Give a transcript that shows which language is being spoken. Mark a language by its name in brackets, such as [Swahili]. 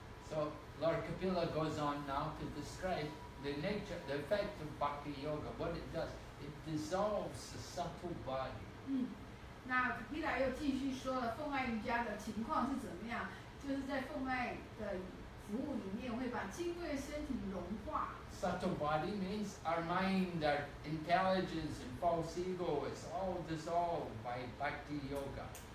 [English] So Lord Kapila goes on now to describe the nature, the effect of bhakti yoga, what it does. It dissolves the subtle body. [Chinese] 那Kapila又继续说了，奉爱瑜伽的情况是怎么样？就是在奉爱的服务里面，会把金贵的身体融化。 [English] Subtle body means our mind, our intelligence, and false ego is all dissolved by bhakti yoga.